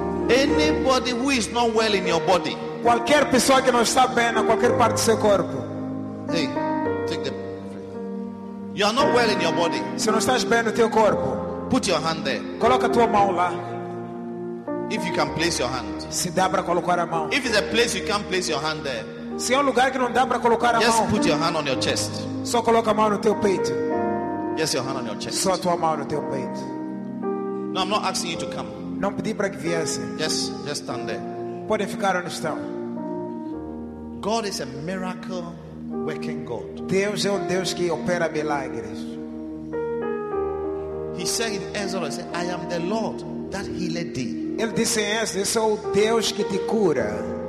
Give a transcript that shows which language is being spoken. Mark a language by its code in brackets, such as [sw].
[en] Anybody who is not well in your body. [pt] Qualquer pessoa que não está bem na qualquer parte do seu corpo. [en] Hey, take them. You are not well in your body. [pt] Se não estás bem no teu corpo. [en] Put your hand there. [pt] Coloca tua mão lá. [en] If you can place your hand. [pt] Se dá para colocar a mão. [en] If it's a place you can't place your hand there. [pt] Se é lugar que não dá para colocar a mão. [en] Just put your hand on your chest. [pt] Só coloca a mão no teu peito. [en] Yes, your hand on your chest. [pt] Só tua mão no teu peito. [en] No, I'm not asking you to come. [pt] Não pedi para que viesse. [en] Yes, just stand there. [pt] Pode ficar onde está. [en] God is a miracle working God. [pt] Deus é Deus que opera milagres. [en] He said in Ezra, "I am the Lord that healed thee." [pt] Ele disse em Ezra, sou Deus que te cura.